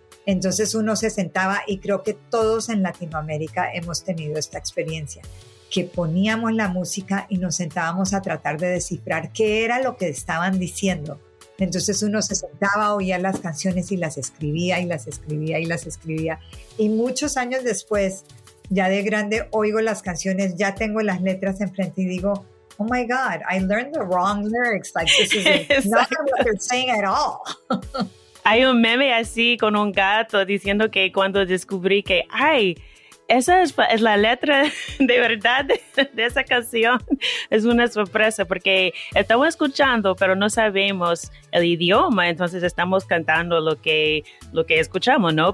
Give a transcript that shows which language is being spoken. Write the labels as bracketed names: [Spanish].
[Spanish] Entonces uno se sentaba, y creo que todos en Latinoamérica hemos tenido esta experiencia, que poníamos la música y nos sentábamos a tratar de descifrar qué era lo que estaban diciendo. Entonces uno se sentaba, oía las canciones y las escribía y las escribía y las escribía. Y muchos años después, ya de grande, oigo las canciones, ya tengo las letras enfrente y digo, [English] oh my God, I learned the wrong lyrics. Like, this is not what they're saying at all. [Spanish] Hay un meme así con un gato diciendo que cuando descubrí que, ay, esa es la letra de verdad de esa canción. Es una sorpresa porque estamos escuchando, pero no sabemos el idioma. Entonces estamos cantando lo que escuchamos, ¿no?